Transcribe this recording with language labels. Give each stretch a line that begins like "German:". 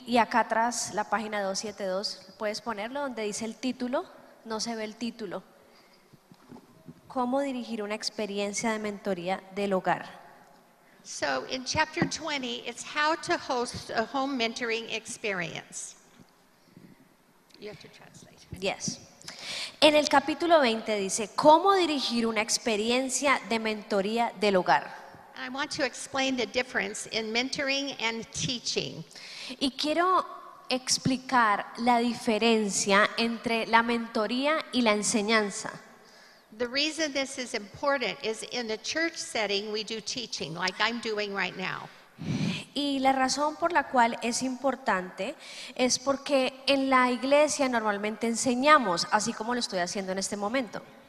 Spanish: Y acá atrás, la página 272, puedes ponerlo donde dice el título. No se ve el título. ¿Cómo dirigir una experiencia de mentoría del hogar?
English: So in chapter 20, it's how to host a home mentoring experience. You have to translate. Yes.
Spanish: En el capítulo 20 dice, ¿cómo dirigir una experiencia de mentoría del hogar?
English: I want to explain the difference in mentoring and teaching.
Spanish: Y quiero explicar la diferencia entre la mentoría y la enseñanza.
English: The reason this is important is in the church setting we do teaching, like I'm doing right now.
Spanish: Y la razón por la cual es importante es porque en la iglesia normalmente enseñamos, así como lo estoy haciendo en este momento.